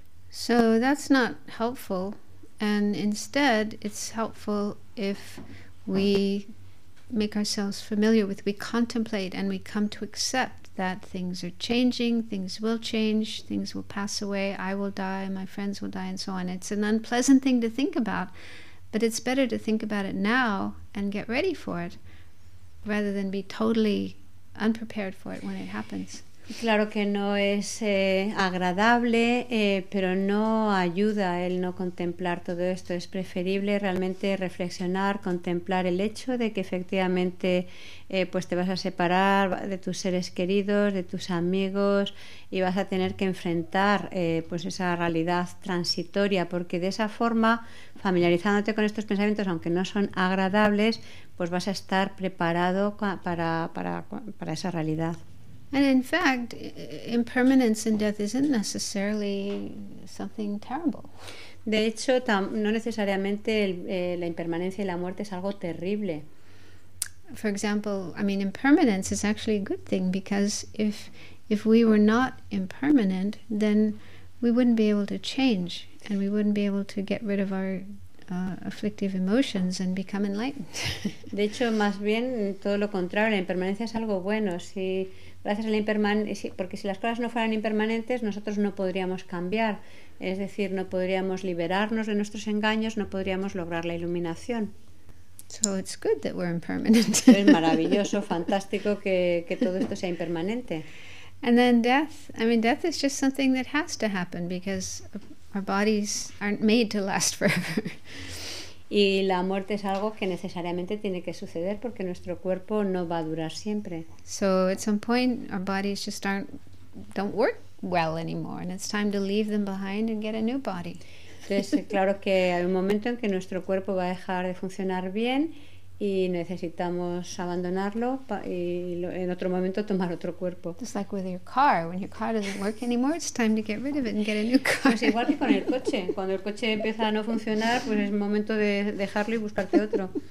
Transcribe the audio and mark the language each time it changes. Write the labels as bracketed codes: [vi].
[en] So that's not helpful, and instead it's helpful if we make ourselves familiar with, we contemplate and we come to accept that things are changing, things will pass away, I will die, my friends will die, and so on. It's an unpleasant thing to think about, but it's better to think about it now and get ready for it rather than be totally unprepared for it when it happens. [es] Claro que no es agradable, pero no ayuda el no contemplar todo esto. Es preferible realmente reflexionar, contemplar el hecho de que efectivamente pues te vas a separar de tus seres queridos, de tus amigos, y vas a tener que enfrentar pues esa realidad transitoria, porque de esa forma, familiarizándote con estos pensamientos, aunque no son agradables, pues vas a estar preparado para esa realidad. [en] And in fact, impermanence and death isn't necessarily something terrible. [es] De hecho, no necesariamente la impermanencia y la muerte es algo terrible. [en] For example, I mean, impermanence is actually a good thing, because if we were not impermanent, then we wouldn't be able to change, and we wouldn't be able to get rid of our afflictive emotions and become enlightened. [es] De hecho, más bien todo lo contrario, la impermanencia es algo bueno, si gracias a la impermanencia, porque si las cosas no fueran impermanentes, nosotros no podríamos cambiar, es decir, no podríamos liberarnos de nuestros engaños, no podríamos lograr la iluminación. [en] So it's good that we're impermanent. [es] Es maravilloso, fantástico que todo esto sea impermanente. [en] And then death, I mean, death is just something that has to happen, because our bodies aren't made to last forever. [es] Y la muerte es algo que necesariamente tiene que suceder, porque nuestro cuerpo no va a durar siempre. [en] So at some point our bodies just don't work well anymore, and it's time to leave them behind and get a new body. [es] Entonces, claro que hay un momento en que nuestro cuerpo va a dejar de funcionar bien y necesitamos abandonarlo y en otro momento tomar otro cuerpo. [en] It's like with your car. When your car doesn't work anymore, it's time to get rid of it and get a new car. [es] Pues igual que con el coche. Cuando el coche empieza a no funcionar, pues es momento de dejarlo y buscarte otro.